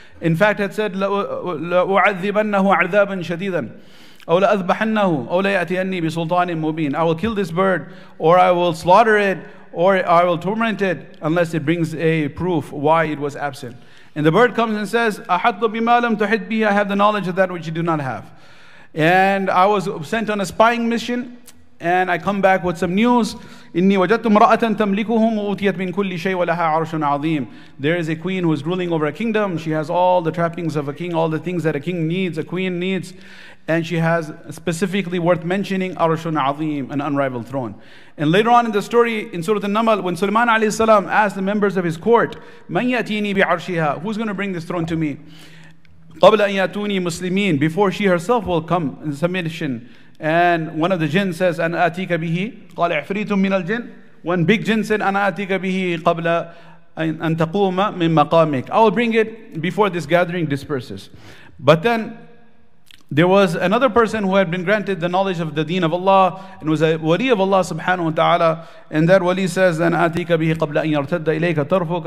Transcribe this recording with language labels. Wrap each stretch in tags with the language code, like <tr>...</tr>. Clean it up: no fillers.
<en>In fact, it said,</en> <ar>لَأُعَذِّبَنَّهُ عَذَابًا شَدِيدًا أَوْ لَأَذْبَحَنَّهُ أَوْ لَيَأْتِيَنِّي بِسُلْطَانٍ مُبِينٍ,</ar> <en>I will kill this bird, or I will slaughter it, or I will torment it, unless it brings a proof why it was absent. And the bird comes and says,</en> <ar>أَحَطُّ بِمَا لَمْ تُحِدْ بِهِ,</ar> <en>I have the knowledge of that which you do not have. And I was sent on a spying mission, and I come back with some news.</en> <ar>إني وجدت امرأة تملكهم وأوتيت من كل شيء ولها عرش عظيم.</ar> <en>There is a queen who is ruling over a kingdom. She has all the trappings of a king, all the things that a king needs, a queen needs. And she has specifically worth mentioning</en> <ar>عرش عظيم,</ar> <en>an unrivaled throne. And later on in the story, in Surah An-Naml, when Sulaiman عليه السلام asked the members of his court,</en> <ar>من يأتيني بعرشها,</ar> <en>who's going to bring this throne to me?</en> <ar>قبل أن يأتوني مسلمين,</ar> <en>before she herself will come in submission. And one of the jinn says,</en> <ar>أنا أتيك به. قال عفريتم من الجن.</ar> <en>One big jinn said,</en> <ar>أنا أتيك به قبل أن تقوم من مقامك.</ar> <en>I will bring it before this gathering disperses. But then there was another person who had been granted the knowledge of the deen of Allah and was a wali of Allah subhanahu wa ta'ala. And that wali says,</en> <ar>أنا أتيك به قبل أن يرتد إليك طرفك.</ar>